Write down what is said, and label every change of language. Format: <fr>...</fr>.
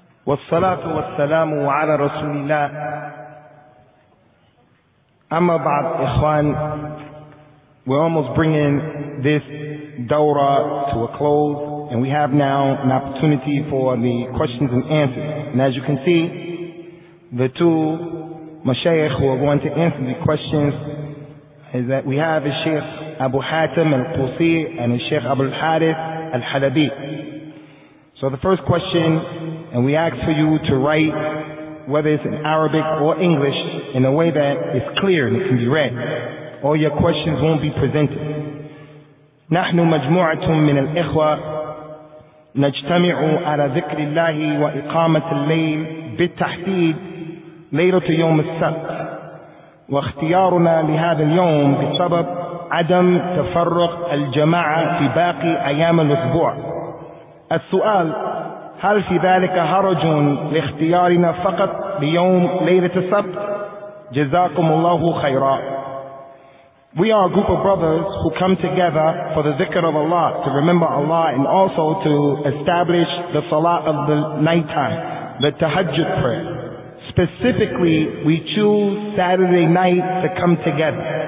<ar>والصلاة والسلام على رسول الله. أما بعد إخوان,</ar> <en>we're almost bringing this Dora to a close, and we have now an opportunity for the questions and answers. And as you can see, the two Mashaykh who are going to answer the questions is that we have a Sheikh Abu Hatim al-Qusi and a Sheikh Abu al-Harith al-Halabi. So the first question, and we ask for you to write whether it's in Arabic or English in a way that is clear and can be read, or your questions won't be presented.</en> <ar>نحن مجموعة من الإخوة نجتمع على ذكر الله وإقامة الليل بالتحديد ليلة يوم السبت, واختيارنا لهذا اليوم بسبب عدم تفرق الجماعة في باقي أيام الأسبوع. السؤال, هل في ذلك حرج لاختيارنا فقط ليوم ليلة السبت؟ جزاكم الله خيرا.</ar> <en>We are a group of brothers who come together for the dhikr of Allah, to remember Allah, and also to establish the salah of the night time, the tahajjud prayer. Specifically, we choose Saturday night to come together.</en>